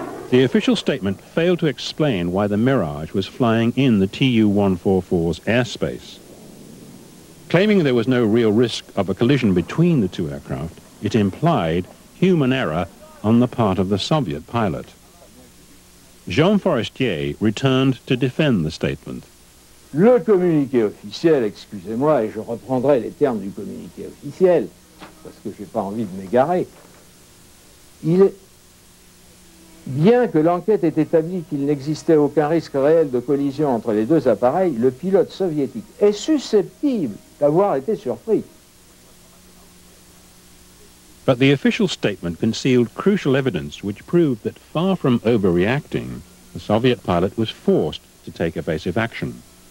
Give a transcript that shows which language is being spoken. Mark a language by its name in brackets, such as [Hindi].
[English] The official statement failed to explain why the Mirage was flying in the Tu-144's airspace. Claiming there was no real risk of a collision between the two aircraft, it implied human error on the part of the Soviet pilot. Jean Forestier returned to defend the statement. [French] Le communiqué officiel, excusez-moi, et je reprendrai les termes du communiqué officiel, parce que je n'ai pas envie de m'égarer. Il est... Bien que l'enquête ait établi qu'il n'existait aucun risque réel de collision entre les deux appareils, le pilote soviétique est susceptible d'avoir été surpris. [English] But the official statement concealed crucial evidence which proved that far from overreacting, the Soviet pilot was forced to take evasive action.